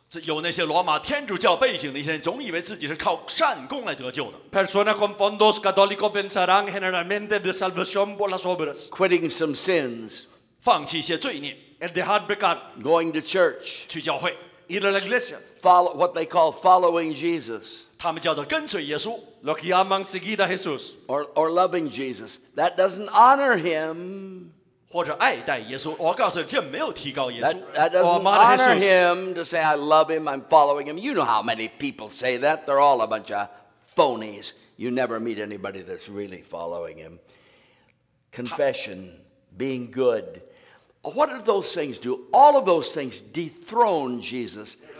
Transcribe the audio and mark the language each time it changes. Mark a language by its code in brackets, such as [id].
[zh] 有那些罗马天主教背景的一些人，总以为自己是靠善功来得救的。 [es] Personas con fondos católicos pensarán generalmente de salvación por las obras. [en] Quitting some sins. [zh] 放弃一些罪孽。 [es] El dejar pecar. [en] Going to church. [zh] 去教会。 [es] Ir a la iglesia. [en] Follow what they call following Jesus. [zh] 他们叫做跟随耶稣。 [es] Lo que llaman seguir a Jesús. [en] Or loving Jesus. That doesn't honor him. [zh] 或者爱戴耶稣，我告诉你，这没有提高耶稣。 [en] That doesn't honor him to say I love him, I'm following him. You know how many people say that? They're all a bunch of phonies. You never meet anybody that's really following him. Confession, being good. What do those things do? All of those things dethrone Jesus.